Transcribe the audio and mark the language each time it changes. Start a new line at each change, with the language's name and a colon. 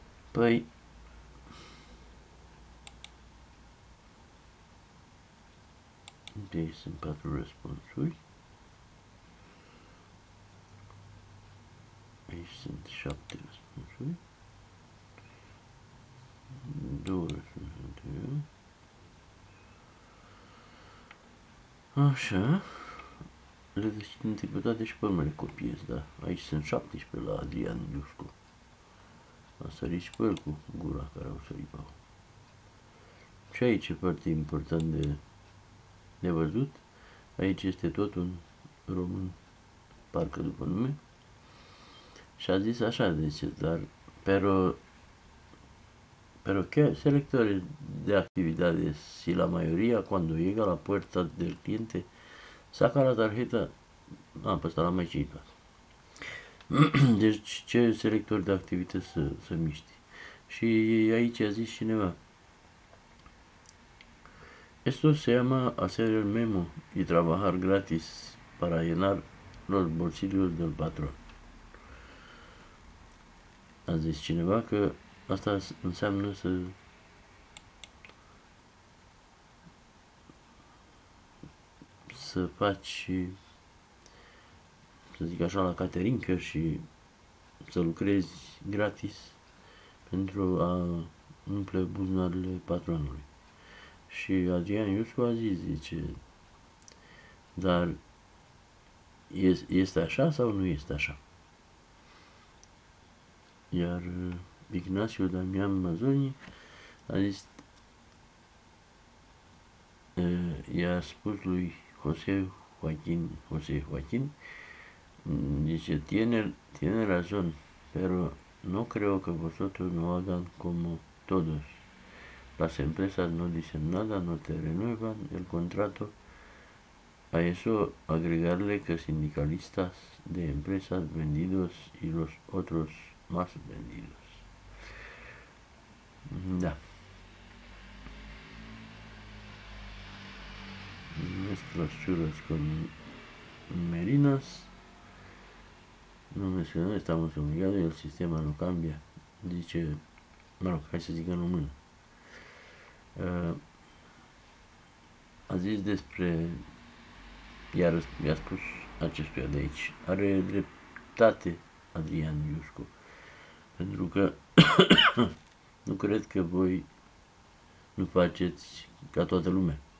Romanian: Păi, deci sunt patru răspunsuri, aici sunt șapte răspunsuri, două răspunsuri, așa, le deschid în tipătate și pe urmă le copiez, da, aici sunt 17 la Adrian Iuscu. A sărit și pe el cu gura care au sărit pe acolo. Și aici e foarte important de văzut. Aici este tot un român, parcă după nume. Și a zis așa, deci, dar
Spanish: pero que selectores de actividades si la mayoría cuando llega a la puerta del cliente saca la tarjeta,
Romanian: a, pe ăsta l-am mai citat. Deci, ce selector de activități să miști? Și aici a zis cineva.
Spanish: Esto se llama hacer el memo y trabajar gratis para llenar Los bolsillos del patrón.
Romanian: A zis cineva că asta înseamnă să... să faci, să zic așa, la caterincă și să lucrezi gratis pentru a umple buzunarele patronului. Și Adrian Iusu a zis, zice, dar este așa sau nu este așa? Iar Ignacio Damian Mazzoni a zis, i-a spus lui José Joaquín,
Spanish: José Joaquín, dice, tiene razón, pero no creo que vosotros no hagan como todos. Las empresas no dicen nada, no te renuevan el contrato. A eso agregarle que sindicalistas de empresas vendidos y los otros más vendidos.
Romanian: Da.
Spanish: Mezclas churras con merinas. No mencioné, estamos obligados y el sistema no cambia. Dice, bueno, ahí se sigue en un
Romanian: a zis despre, iar mi-a spus acestuia de aici, are dreptate Adrian Iusco, pentru că nu cred că voi nu faceți ca toată lumea.